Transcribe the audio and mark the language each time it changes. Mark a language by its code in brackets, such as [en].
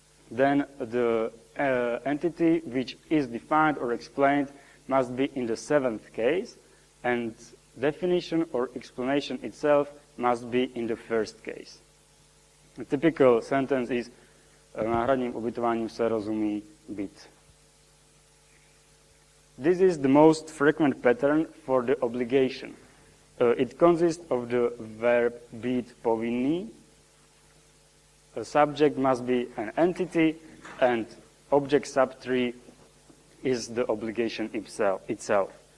[en] Then the entity which is defined or explained must be in the seventh case, and definition or explanation itself must be in the first case. A typical sentence is [cs] náhradním ubytováním se rozumí byt. [en] This is the most frequent pattern for the obligation. It consists of the verb být povinný. A subject must be an entity, and object subtree is the obligation itself.